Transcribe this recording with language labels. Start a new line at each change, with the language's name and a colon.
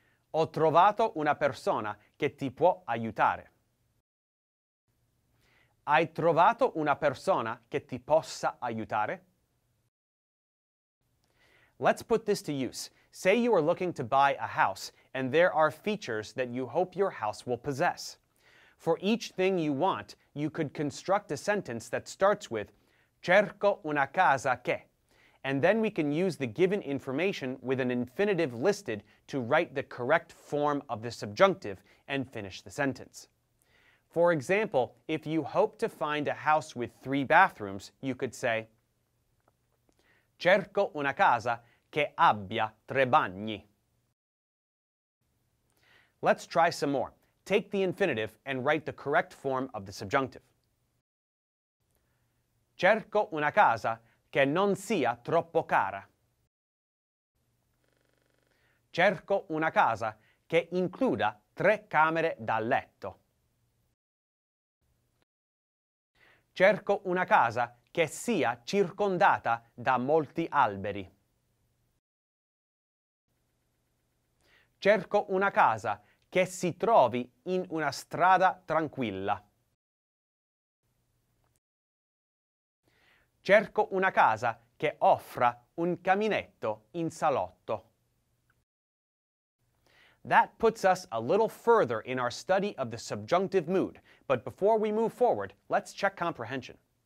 Italian: Ho trovato una persona che ti può aiutare. Hai trovato una persona che ti possa aiutare?
English: Let's put this to use. Say you are looking to buy a house and there are features that you hope your house will possess. For each thing you want, you could construct a sentence that starts with
Italian: cerco una casa che,
English: and then we can use the given information with an infinitive listed to write the correct form of the subjunctive and finish the sentence. For example, if you hope to find a house with three bathrooms, you could say
Italian: cerco una casa che abbia tre bagni.
English: Let's try some more. Take the infinitive and write the correct form of the subjunctive.
Italian: Cerco una casa che non sia troppo cara. Cerco una casa che includa tre camere da letto. Cerco una casa che sia circondata da molti alberi. Cerco una casa che si trovi in una strada tranquilla. Cerco una casa che offra un caminetto in salotto.
English: That puts us a little further in our study of the subjunctive mood, but before we move forward, let's check comprehension.